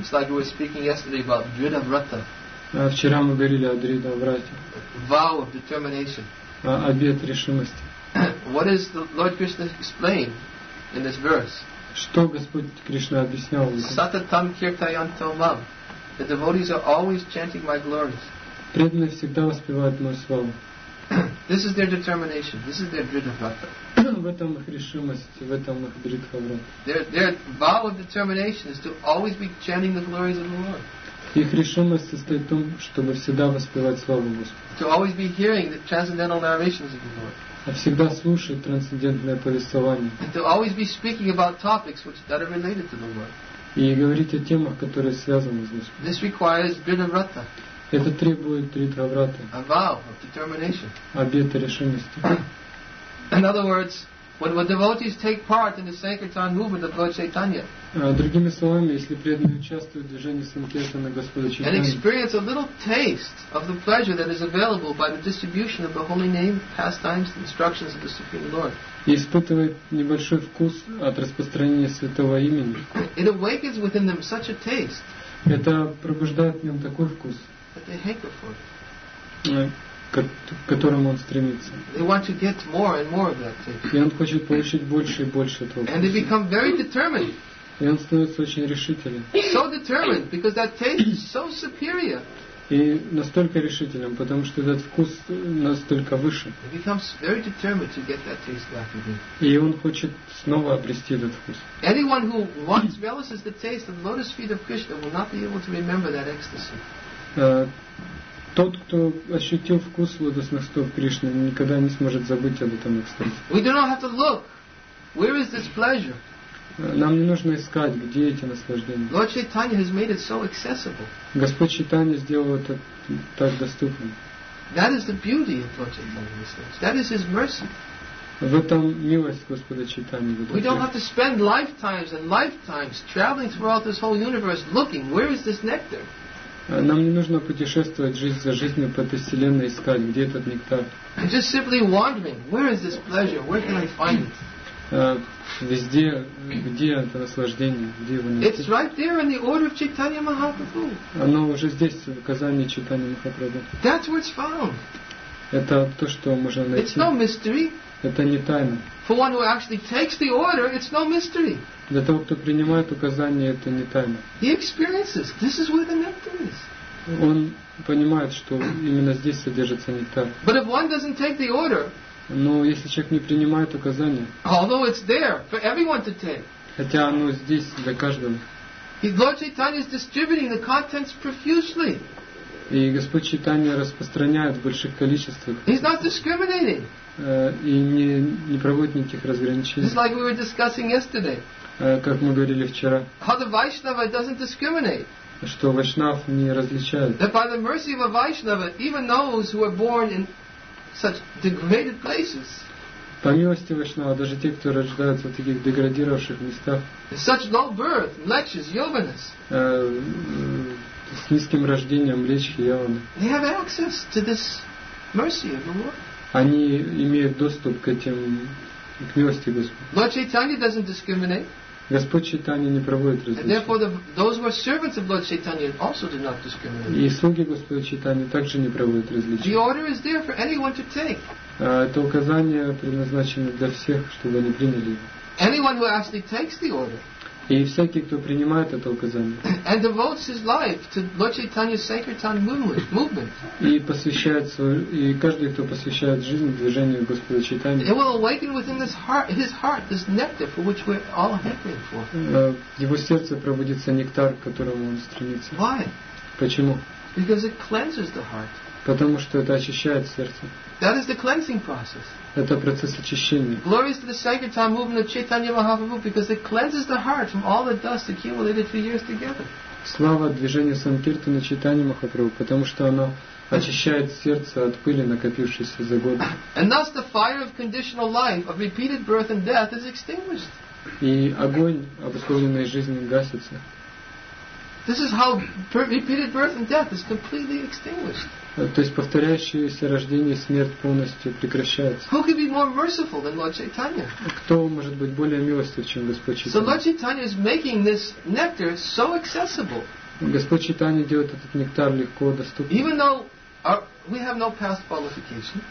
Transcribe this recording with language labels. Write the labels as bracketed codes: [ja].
[en] It's like we were speaking yesterday about Dridavrata. [ru] Вчера мы говорили о Дридаврате. [en] Vow of determination. [ru] Обет решимости. [en] What is the Lord Krishna explained in this verse? [ru] Что Господь Кришна объяснял? [sa] Сататам киртаянто мам. [en] The devotees are always chanting my glories. [ru] Преданные всегда воспевают мою славу. [en] This is their determination. This is their dridhavrata. [ru] В этом их решимость, в этом их дридхаврата. [en] Their vow of determination is to always be chanting the glories of the Lord. [ru] Их решимость состоит в том, чтобы всегда воспевать славу Господа. [en] To always be hearing the transcendental narrations of the Lord. [ru] А всегда слушать трансцендентное повествование. [en] And to always be speaking about topics which that are related to the Lord. [ru] И говорить о темах, которые связаны с Господом. [en] This requires dridhavrata. [ru] Это требует дридхаврата. [en] A vow of determination. [ru] Обета решимости. [en] In other words, when devotees take part in the Sankirtan movement of Lord Chaitanya, [ru] другими словами, если преданные участвуют в движении Санкиртана Господа Чайтаньи, [en] and experience a little taste of the pleasure that is available by the distribution of the holy name, pastimes, and instructions of the Supreme Lord, [ru] и испытывает небольшой вкус от распространения Святого Имени, [en] it awakens within them such a taste. [ru] Это пробуждает в нем такой вкус, [en] that they hanker for [ru] к которому он стремится. [en] They want to get more and more of that taste. [ru] И он хочет получить больше и больше этого. [en] And they become very determined. [ru] И он становится очень решительным. [en] So determined, because that taste is so superior. [ru] И настолько решительным, потому что этот вкус настолько выше. [en] He becomes very determined to get that taste back again. [ru] И он хочет снова обрести этот вкус. [en] Anyone who once relishes the taste of lotus feet of Krishna will not be able to remember that ecstasy. [ru] Тот, кто ощутил вкус лотосных стоп Кришны, никогда не сможет забыть об этом экстазе. [en] We do not have to look. Where is this pleasure? [ru] Нам не нужно искать, где эти наслаждения. [en] Lord Chaitanya has made it so accessible. [ru] Господь Чайтанья сделал это так доступным. [en] That is the beauty of Lord Chaitanya's message. That is his mercy. [ru] В этом милость Господа Чайтаньи. [en] We don't have to spend lifetimes and lifetimes traveling throughout this whole universe looking. Where is this nectar? [ru] Нам не нужно путешествовать жизнь за жизнью по этой вселенной искать, где этот нектар. [en] I'm just simply wandering. Where is this pleasure? Where can I find it? [ru] Везде, где это наслаждение, где его нет. [en] It's right there in the order of Chaitanya Mahaprabhu. [ru] Оно уже здесь, в указании Чайтаньи Махапрабху. [en] That's what's found. [ru] Это то, что можно найти. [en] It's no mystery. [ru] Это не тайна. [en] For one who actually takes the order, it's no mystery. [ru] Для того, кто принимает указания, это не тайна. [en] He experiences. This is where the nectar is. [ru] Он понимает, что именно здесь содержится нектар. [en] But if one doesn't take the order, [ru] но если человек не принимает указания, [en] although it's there for everyone to take, [ru] хотя оно здесь для каждого, [en] Lord Chaitanya is distributing the contents profusely. [ru] И Господь Чайтанья распространяет в больших количествах. [en] He's not discriminating. [ru] И не проводит никаких разграничений. [en] It's like we were discussing yesterday. [ru] Как мы говорили вчера. [en] How the Vaishnava doesn't discriminate. [ru] Что Вайшнав не различает. [en] That by the mercy of a Vaishnava, even those who are born in such degraded places. [ru] По милости Вайшнава, даже те, кто рождаются в таких деградировавших местах. [en] Such low birth, lechas, yovanas. [ru] с низким рождением лечхи явана. [en] They have access to this mercy of the Lord. [ru] Они имеют доступ к этим к милости Господа. [en] Lord Chaitanya doesn't discriminate. [ru] Господь Чайтанья не проводит различия. [en] Therefore, those who are servants of Lord Chaitanya also do not discriminate. [ru] И слуги Господа Чайтанья также не проводят различия. [en] The order is there for anyone to take. [ru] Это указание предназначено для всех, чтобы они приняли его. [en] Anyone who actually takes the order. [ru] И всякий, кто принимает это указание. [en] And devotes his life to Lord Chaitanya's sankirtan movement. [ru] И посвящает свою, и каждый, кто посвящает жизнь движению Господа Чайтанья. [en] It will awaken within this heart, his heart, this nectar for which we're all hankering for. [ru] В его сердце пробудится нектар, к которому он стремится. [en] Why? [ru] Почему? [en] Because it cleanses the heart. [ru] Потому что это очищает сердце. [en] That is the cleansing process. [ru] Это процесс очищения. [en] Glory to the sankirtan movement of Chaitanya Mahaprabhu because it cleanses the heart from all the dust accumulated for years together. [ru] Слава движению санкиртаны Чайтанья Махапрабху, потому что оно очищает сердце от пыли, накопившейся за годы. [en] And thus the fire of conditional life, of repeated birth and death, is extinguished. [ru] И огонь обусловленной жизни гасится. [en] This is how repeated birth and death is completely extinguished. [ru] То есть повторяющееся рождение и смерть полностью прекращается. [en] Who could be more merciful than Lord Chaitanya? [ru] Кто может быть более милостив, чем Господь Чайтанья? [en] So Lord Chaitanya is making this nectar so accessible. [ru] Господь Чайтанья делает этот нектар легко доступным. [en] Even though we have no past qualification.